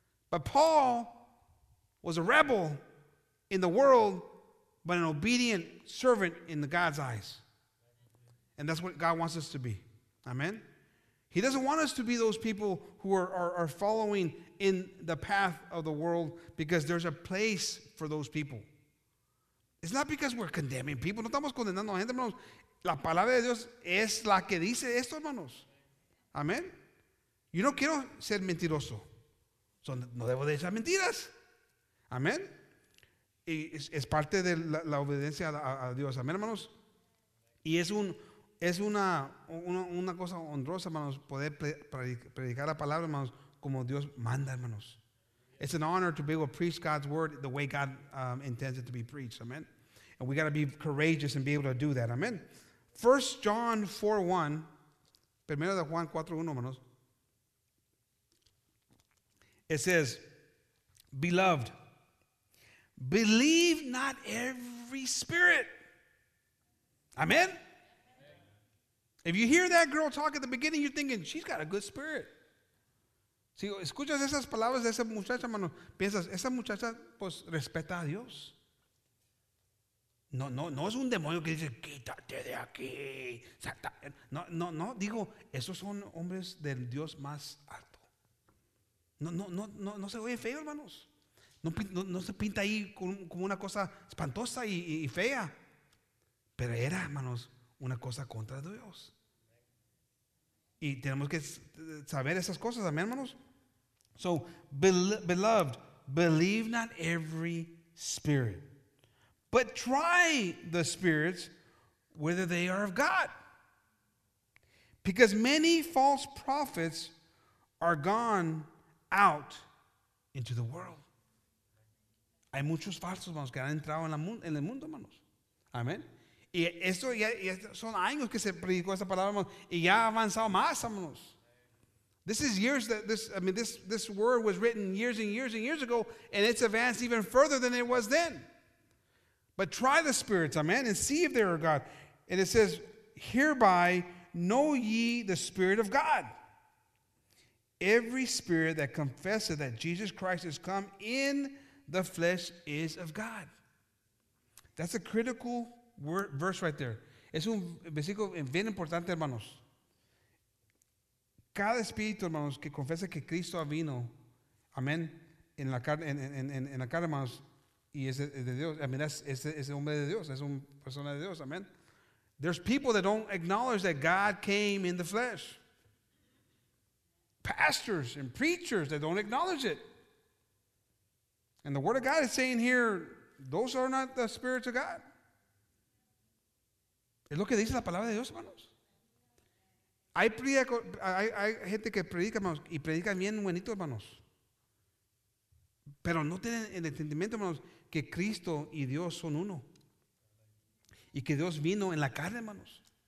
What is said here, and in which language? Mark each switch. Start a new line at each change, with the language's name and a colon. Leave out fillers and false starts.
English: But Paul was a rebel in the world, but an obedient servant in God's eyes. And that's what God wants us to be. Amen. He doesn't want us to be those people who are following in the path of the world, because there's a place for those people. It's not because we're condemning people.
Spanish: No estamos condenando a gente, hermanos. La palabra de Dios es la que dice esto, hermanos. Amén. Yo no quiero ser mentiroso. So, no debo de echar mentiras. Amén. Y es parte de la obediencia a Dios. Amén, hermanos. Y es una cosa honrosa, hermanos, poder predicar la palabra, hermanos, como Dios manda, hermanos.
English: It's an honor to be able to preach God's word the way God intends it to be preached, amen? And we got to be courageous and be able to do that, amen? 1 John 4:1,
Spanish: primero de Juan 4:1, hermanos,
English: it says, beloved, believe not every spirit, amen? If you hear that girl talk at the beginning, you're thinking, she's got a good spirit.
Spanish: Si escuchas esas palabras de esa muchacha, hermano, piensas, esa muchacha, pues, respeta a Dios. No es un demonio que dice, quítate de aquí. No, digo, esos son hombres del Dios más alto. No se oye feo, hermanos. No se pinta ahí como una cosa espantosa y fea. Pero era, hermanos, una cosa contra Dios. Y tenemos que saber esas cosas, amén, hermanos.
English: So, beloved, believe not every spirit, but try the spirits whether they are of God. Because many false prophets are gone out into the world.
Spanish: Hay muchos falsos, hermanos, que han entrado en el mundo, hermanos. Amén. Y esto ya son años que se predicó esta palabra, hermanos, y ya ha avanzado más, hermanos.
English: This is years that this word was written years and years and years ago, and it's advanced even further than it was then. But try the spirits, amen, and see if they are God. And it says, hereby know ye the spirit of God. Every spirit that confesseth that Jesus Christ has come in the flesh is of God. That's a critical verse right there.
Spanish: Es un versículo bien importante, hermanos. Cada espíritu, hermanos, que confiesa que Cristo vino, amén, en la carne, hermanos, y es de Dios.
English: I mean,
Spanish: es hombre de Dios, es una persona de Dios, amén.
English: There's people that don't acknowledge that God came in the flesh. Pastors and preachers that don't acknowledge it. And the word of God is saying here, those are not the spirits of God.
Spanish: Es lo que dice la palabra de Dios, hermanos. Hay gente que predica, hermanos, y predica bien buenito, hermanos. Pero no tienen el entendimiento, hermanos, que Cristo y Dios son uno. Y que Dios vino en la carne, hermanos.